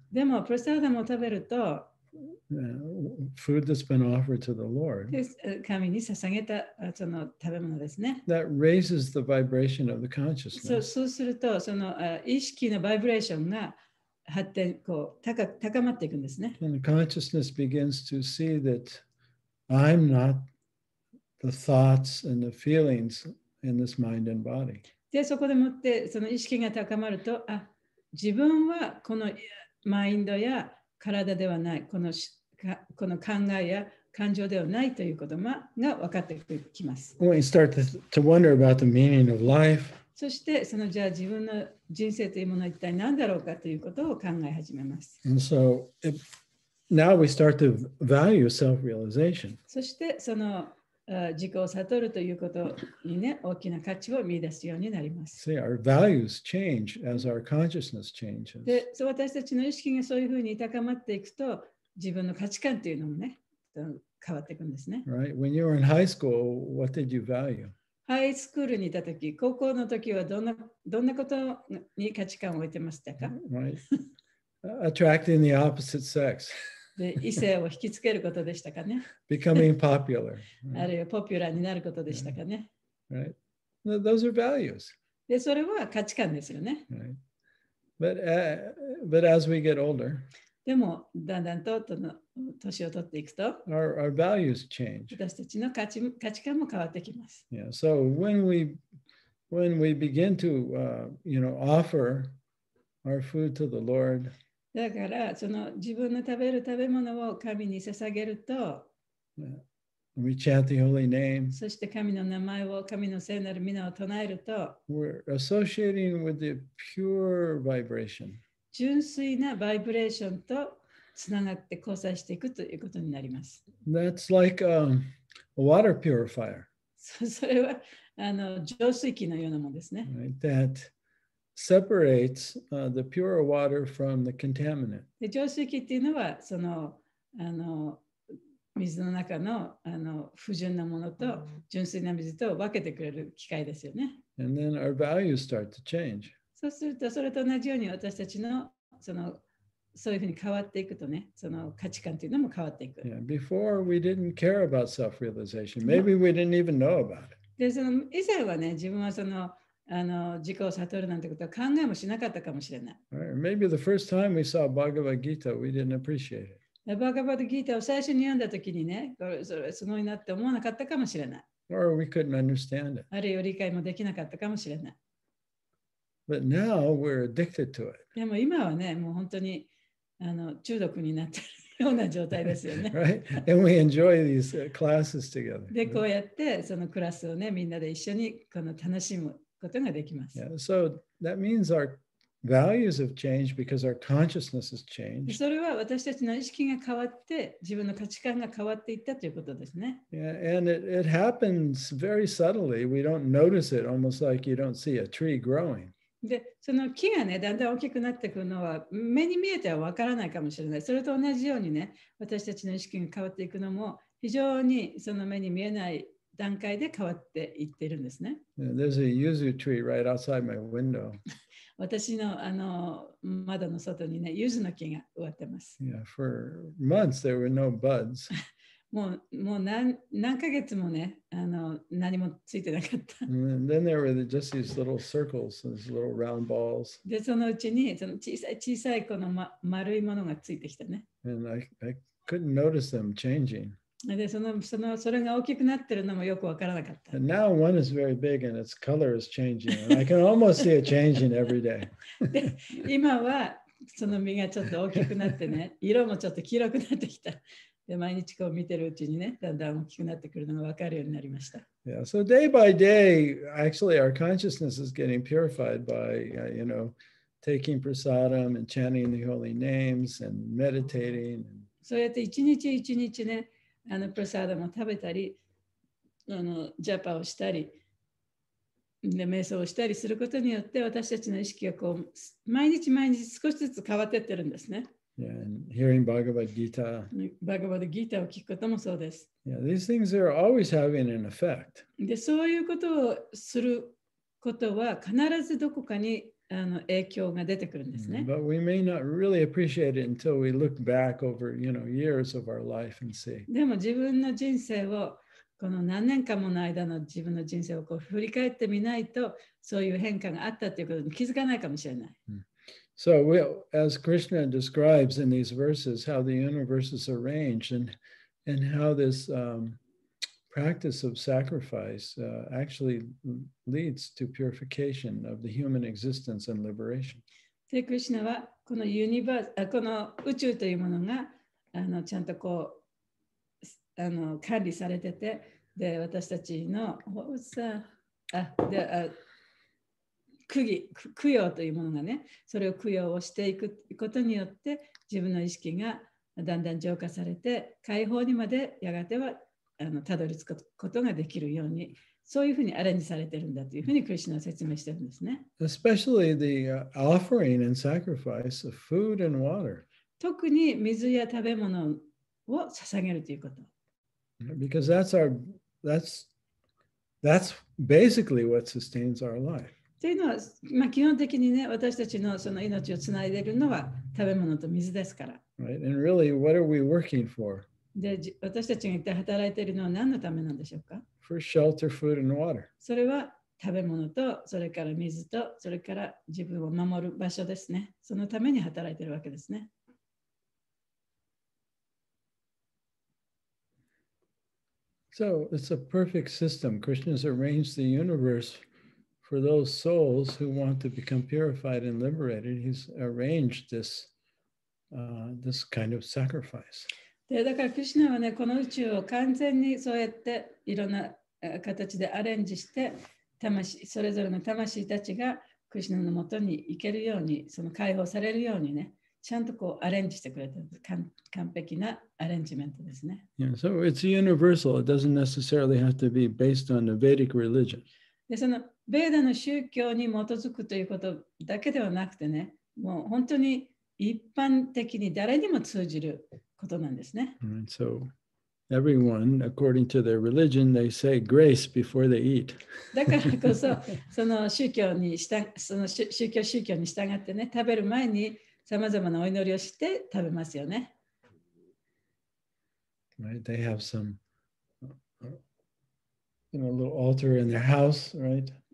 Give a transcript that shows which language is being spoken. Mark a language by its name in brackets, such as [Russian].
[Japanese] でも、プラサダムを食べると、 [English] food that's been offered to the Lord, [Japanese] 神に捧げたその食べ物ですね。 [English] That raises the vibration of the consciousness. [Japanese] そうすると、その意識のバイブレーションが発展こう高まっていくんですね。 [English] And the consciousness begins to see that I'm not the thoughts and the feelings. In this mind and body. [Japanese] で、そこでもってその意識が高まると、あ、自分はこのマインドや体ではない、この考えや感情ではないということが分かってきます。 [English] When you start to wonder about the meaning of life, [Japanese] そしてそのじゃあ自分の人生というものは一体何だろうかということを考え始めます。 [English] And so now we start to value self-realization. [Japanese] そしてその自己を悟るということにね大きな価値を見出すようになります。 [English] See, our values change as our consciousness changes. [Japanese] で、そう私たちの意識がそういうふうに高まっていくと、自分の価値観というのもね、変わっていくんですね。 [English] Right. When you were in high school, what did you value? [Japanese] ハイスクールにいた時、高校の時はどんなことに価値観を置いてましたか？ [English] Right. Attracting the opposite sex. [Japanese] で、異性を引きつけることでしたかね。 [English] Becoming popular. [Japanese] あるいはポピュラーになることでしたかね。 [English] Right. Right. Those are values. [Japanese] で、それは価値観ですよね。 [English] Right. But as we get older, [Japanese] でもだんだんと年を取っていくと、 [English] our values change. [Japanese] 私たちの価値観も変わってきます。 [English] Yeah, so when we begin to offer our food to the Lord, [Japanese] だからその自分の食べる食べ物を神に捧げると、 [English] we chant the holy name. [Japanese] そして神の名前を神の聖なる名を唱えると、 [English] we're associating with the pure vibration. [Japanese] 純粋なバイブレーションとつながって交際していくということになります。 [English] That's like a water purifier. [Japanese] それは浄水器のようなものですね。 [English] Right. That separates the pure water from the contaminant. [Japanese] で、浄水器っていうのはその水の中の不純なものと純粋な水と分けてくれる機械ですよね。 [English] And then our values start to change. [Japanese] そうするとそれと同じように私たちのそういうふうに変わっていくとね、その価値観というのも変わっていく。 [English] Yeah, before we didn't care about self-realization. Maybe we didn't even know about it. [Japanese] で、その以前はね、自分はその自己を悟るなんてことは考えもしなかったかもしれない。 [English] Right. Maybe the first time we saw Bhagavad Gita, we didn't appreciate it. [Japanese] バガヴァッド・ギーターを最初に読んだ時にね、それすごいなって思わなかったかもしれない。 [English] Or we couldn't understand it. [Japanese] あるいは理解もできなかったかもしれない。 [English] But now we're addicted to it. [Japanese] でも今はね、もう本当に中毒になってるような状態ですよね。 [English] Right? And we enjoy these classes together. [Japanese] で、こうやってそのクラスをね、みんなで一緒にこの楽しむことができます。 [English] Yeah. So that means our values have changed because our consciousness has changed. [Japanese] それは私たちの意識が変わって、自分の価値観が変わっていったということですね。 [English] Yeah. And it happens very subtly. We don't notice it, almost like you don't see a tree growing. [Japanese] で、その木がね、だんだん大きくなってくるのは目に見えてはわからないかもしれない。それと同じようにね、私たちの意識が変わっていくのも非常にその目に見えない段階で変わっていっているんですね。 [English] There's a yuzu tree right outside my window. [Japanese] 私の窓の外にね、ユズの木が植わってます。 [English] Yeah, for months there were no buds. [Japanese] もう 何ヶ月もね、何もついてなかった。 [English] Then there were just these little circles, these little round balls. [Japanese] で、そのうちに、その小さいこの、ま、丸いものがついてきたね。 [English] And I couldn't notice them changing. [Japanese] で、その、それが大きくなってるのもよくわからなかった。 [English] And now one is very big and its color is changing. And I can almost see it changing every day. [Japanese] で、今はその実がちょっと大きくなってね、色もちょっと黄色くなってきた。で、毎日こう見てるうちにね、だんだん大きくなってくるのが分かるようになりました。 [English] Yeah, so day by day, actually our consciousness is getting purified by, taking prasadam and chanting the holy names and meditating. [Japanese] そうやって一日一日ね、プラサダムを食べたり、ジャパをしたり、で、瞑想をしたりすることによって、私たちの意識がこう、毎日毎日少しずつ変わってってるんですね。 [English] Yeah, and hearing Bhagavad Gita. [Japanese] Bhagavad Gita を聞くこともそうです。 [English] Yeah, these things are always having an effect. [Japanese] で、そういうことをすることは必ずどこかに影響が出てくるんですね。 [English] But we may not really appreciate it until we look back over, years of our life and see. [Japanese] でも自分の人生をこの何年間もの間の自分の人生をこう振り返ってみないと、そういう変化があったということに気づかないかもしれない。 [English] So, we'll, as Krishna describes in these verses, how the universe is arranged and how this practice of sacrifice actually leads to purification of the human existence and liberation. [Japanese] で、クリシュナはこのユニバース、この宇宙というものがちゃんとこうあの管理されてて、で私たちの供養というものがね、それを供養をしていくことによって自分の意識がだんだん浄化されて解放にまでやがてはあのたどり着くことができるように、そういうふうにアレンジされてるんだというふうにクリシュナは説明してるんですね。 [English] Especially the offering and sacrifice of food and water. [Japanese] 特に水や食べ物を捧げるということ。 [English] Because that's basically what sustains our life. [Japanese] というのは、まあ、基本的にね、私たちのその命をつないでいるのは食べ物と水ですから。 [English] Right. And really, what are we working for? [Japanese] で私たちが一体働いているのは何のためなんでしょうか。 [English] For shelter, food, and water. [Japanese] それは食べ物とそれから水とそれから自分を守る場所ですね。そのために働いているわけですね。 [English] So it's a perfect system. Krishna's arranged the universe for those souls who want to become purified and liberated. He's arranged this, this kind of sacrifice. [Japanese] でだからクリシナはね、この宇宙を完全にそうやっていろんな形でアレンジして、魂それぞれの魂たちがクリシナのもとに行けるように、その解放されるようにね、ちゃんとこうアレンジしてくれてる、完璧なアレンジメントですね。 [English] Yeah, so it's universal. It doesn't necessarily have to be based on the Vedic religion. [Japanese] でそのベーダの宗教に基づくということだけではなくてね、もう本当に一般的に誰にも通じることなんですね。 [English] And so, everyone, according to their religion, they say grace before they eat. [Japanese] だからこそ、その宗教に従、その宗教に従ってね、食べる前にさまざまなお祈りをして食べますよね。 [English] Right, they have some, you know, little altar in their house, right?